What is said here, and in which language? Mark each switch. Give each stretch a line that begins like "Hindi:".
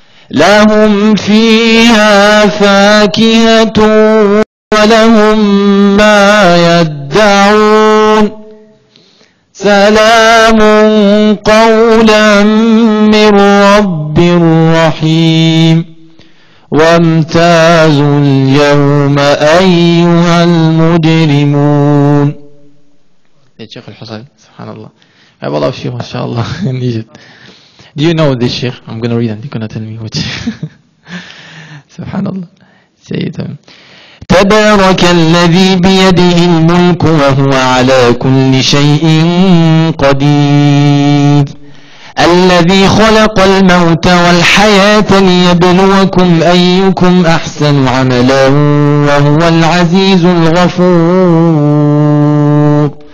Arabic: لهم فيها فاكهة ولهم ما يدعون سلام قولا من رب رحيم وامتازوا اليوم أيها المجرمون. يا شيخ الحصري سبحان الله.
English: I have a lot of you, mashallah, in Egypt. Do you know this sheikh? I'm going to read and you're going to tell me which. Subhanallah. Say it.
Arabic: تبارك الذي بيده الملك وهو على كل شيء قدير الذي خلق الموت والحياة ليبلوكم أيكم أحسن عملا وهو العزيز الغفور